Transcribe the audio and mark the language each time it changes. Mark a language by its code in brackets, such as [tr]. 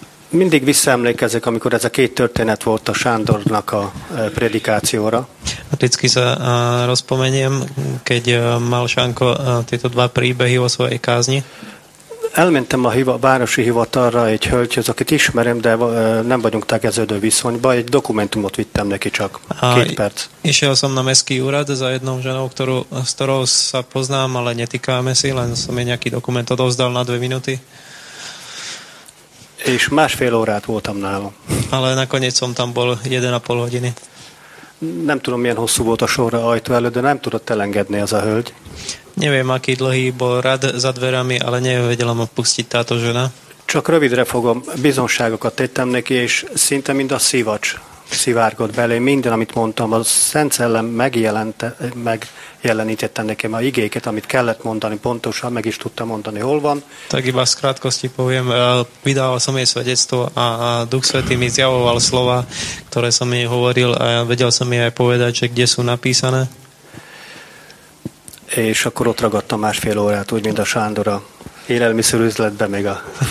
[hu] Mindig visszaemlékezek, amikor ez a két történet volt a Sándornak a predikációra. [sk] Vždycky sa rozpomeniem, keď mal Sánko tieto dva príbehy o svojej kázni. [hu] Elmentem a városi hivatalra egy hölgyhöz, akit ismerem, de nem vagyunk tegeződő viszonyba. Egy dokumentumot vittem neki csak két perc. [sk] Išiel som na mestský úrad za jednou ženou, s ktorou sa poznám, ale netýkáme si, len som jej nejaký dokument odovzdal na 2 minúty. [hu] És másfél órát voltam nála. [sk] Ale nakoniec som tam bol 1,5 hodiny. [hu] Nem tudom, milyen hosszú volt a sorra ajtó előtt, de nem tudott elengedni az a hölgy. [sk] Neviem, aký dlhý bol rad za dverami, ale nevedela ma pustiť táto žena. [hu] Csak rövidre fogom, bizonságokat tettem neki, és szinte mind a szivacs szivárgott belé. Minden, amit mondtam, a Szent Szellem megjelenítette nekem a igéket, amit kellett mondani pontosan, meg is tudtam mondani, hol van. [sk] Tak iba z krátkosti poviem, vydával som jej svedectvo a Duch Svätý mi zjavoval slova, ktoré som jej hovoril a vedel som jej aj povedať, že kde sú napísané. [hu] És akkor ott ragadtam másfél órát, úgy, mint a Sándor a élelmiszer üzletbe, meg a